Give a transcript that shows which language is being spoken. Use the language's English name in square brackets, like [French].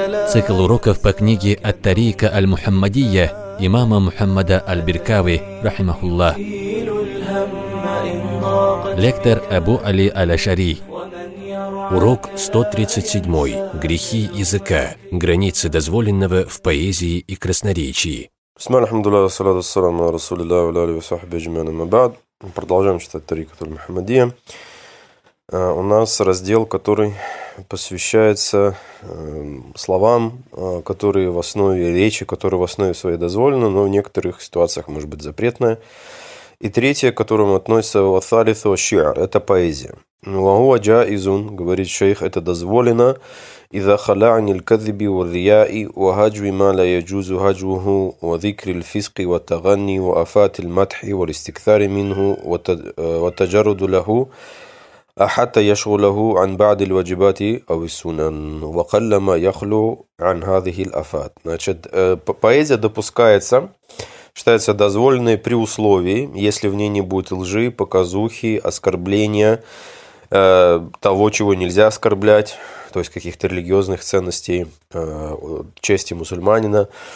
[Russian] цикл уроков по книге «Ат-Тарика аль-Мухаммадия» имама Мухаммада аль-Биркави, рахимахуллах. Лектор Абу Али аль-Ашари. Урок 137. Грехи языка. Границы дозволенного в поэзии и красноречии. [Arabic] بسم الله الحمد لله والصلاة والسلام على رسول الله وعلى آله وصحبه أجمعين أما بعد [Russian] продолжаем читать Тарику аль-Мухаммадия. У нас раздел, который посвящается словам, которые в основе речи, которые в основе своей дозволены, но в некоторых ситуациях может быть запретное. И третье, к которому относится ва-салису ва-ши'р, это поэзия. Ва-хуа джаизун, говорит шейх, это дозволено. [Arabic] إذا خلع عن الكذب والرياء وهجو ما لا يجوز هجوه وذكر الفسق والتغني وأفات المدح والاستكثار منه وتجرد له حتى يشغله عن بعض الواجبات أو السنن وقل ما يخلو عن هذه الأفات. [Russian] Значит, поэзия допускается, считается дозволенной при условии, если в ней не будет лжи, показухи, оскорбления того, чего нельзя оскорблять, то есть каких-то религиозных ценностей, чести мусульманина.